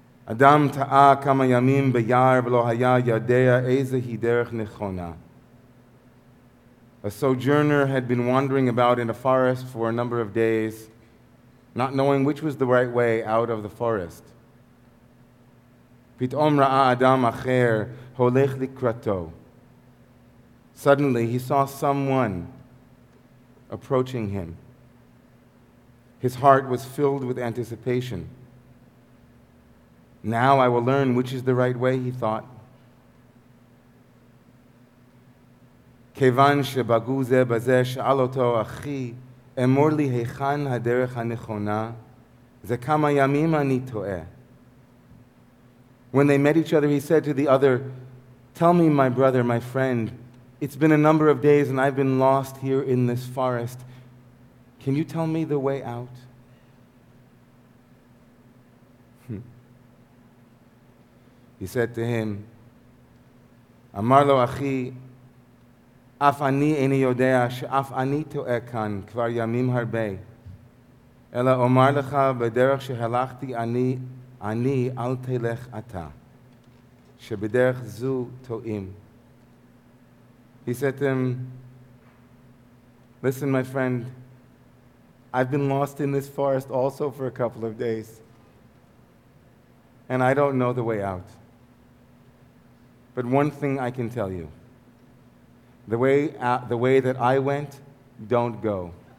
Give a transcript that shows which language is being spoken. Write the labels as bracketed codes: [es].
[he] אדם טעה כמה ימים ביער ולא היה יודע איזה היא דרך נכונה. [en] A sojourner had been wandering about in a forest for a number of days, not knowing which was the right way out of the forest. [he] פתאום ראה אדם אחר הולך לקראתו. [en] Suddenly he saw someone approaching him. His heart was filled with anticipation. Now I will learn which is the right way, he thought. [he] כיוון שבגו זה בזה שאל אותו אחי, אמור לי היכן הדרך הנכונה, זה כמה ימים אני טועה. [en] When they met each other, he said to the other, tell me, my brother, my friend, it's been a number of days and I've been lost here in this forest. Can you tell me the way out? He said to him, [he] אמר לו אחי, אף אני איני יודע שאף אני טועה כאן כבר ימים הרבה, אלא אומר לך בדרך שהלכתי אני אל תלך אתה, שבדרך זו טועים. [en] He said to him, listen, my friend, I've been lost in this forest also for a couple of days, and I don't know the way out. But one thing I can tell you, the way that I went, don't go.